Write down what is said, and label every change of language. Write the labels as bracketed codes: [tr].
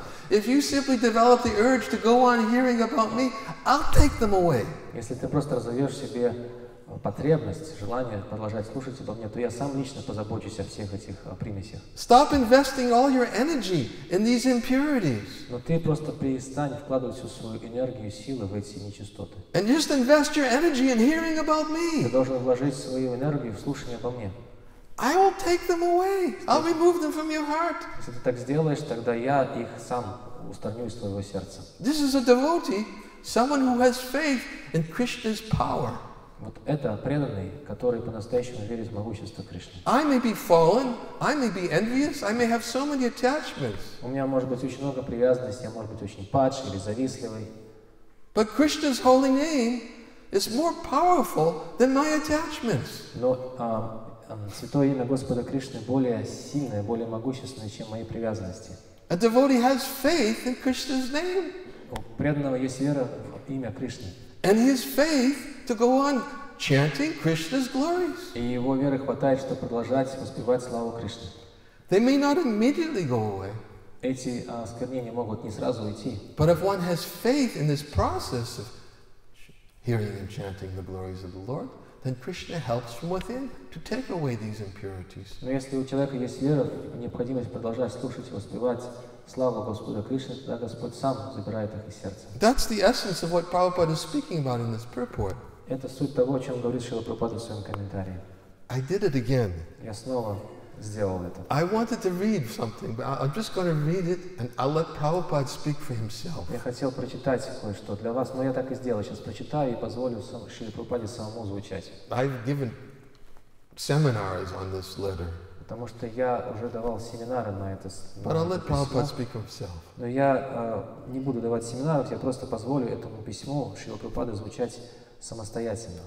[en] If you simply develop the urge to go on hearing about me, I'll take them away. [ru] Если ты просто разовьешь себе потребность, желание продолжать слушать обо мне, то я сам лично позабочусь о всех этих примесях. [en] Stop investing all your energy in these impurities. [ru] Но ты просто перестань вкладывать всю свою энергию, силы в эти нечистоты. [en] And just invest your energy in hearing about me. [ru] Ты должен вложить свою энергию в слушание обо мне. [en] I will take them away. I'll remove them from your heart. [ru] Если ты так сделаешь, тогда я их сам устраню из твоего сердца. [en] This is a devotee, someone who has faith in Krishna's power. [ru] Вот это преданный, который по-настоящему верит в могущество Кришны. [en] I may be fallen, I may be envious, I may have so many attachments. [ru] У меня может быть очень много привязанностей, я может быть очень падший или завистливый. [en] But Krishna's holy name is more powerful than my attachments. [ru] Но Святое имя Господа Кришны более сильное, более могущественное, чем мои привязанности. [en] A devotee has faith in Krishna's name. [ru] У преданного есть вера в имя Кришны. [en] And his faith to go on chanting Krishna's glories. [ru] И его веры хватает, чтобы продолжать воспевать славу Кришны. [en] They may not immediately go away. [ru] Эти осквернения могут не сразу уйти. [en] But if one has faith in this process of hearing and chanting the glories of the Lord, then Krishna helps from within to take away these impurities. [ru] Но если у человека есть вера, необходимость продолжать слушать и воспевать славу Господа Кришны, тогда Господь сам забирает их из сердца. [en] That's the essence of what Prabhupada is speaking about in this purport. [ru] Это суть того, о чем говорит Шрила Прабхупада в своем комментарии. [en] I did it again. [ru] Я снова сделал это. [en] I wanted to read something, but I'm just going to read it and I'll let Prabhupada speak for himself. [ru] Я хотел прочитать кое-что для вас, но я так и сделаю. Сейчас прочитаю и позволю Шриле Прабхупаде самому звучать. [en] I've given seminars on this letter. [ru] Потому что я уже давал семинары на это. [en] But I'll let Prabhupada speak for himself. [ru] Но я не буду давать семинаров, я просто позволю этому письму Шриле Прабхупаде звучать самостоятельно.